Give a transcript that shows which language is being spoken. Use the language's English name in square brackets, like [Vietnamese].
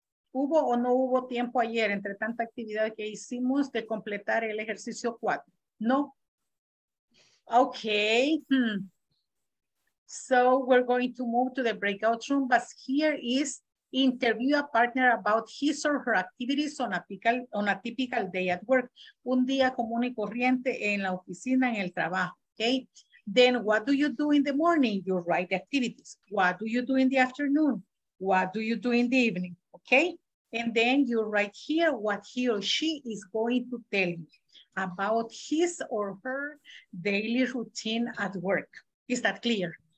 [Spanish] ¿Hubo o no hubo tiempo ayer entre tanta actividad que hicimos de completar el ejercicio 4? [English] No. Okay. So we're going to move to the breakout room, but here is interview a partner about his or her activities on a typical day at work. [Spanish] Un día común y corriente en la oficina, en el trabajo. [English] Okay. Then what do you do in the morning? You write activities. What do you do in the afternoon? What do you do in the evening? Okay. And then you write here what he or she is going to tell you about his or her daily routine at work. Is that clear?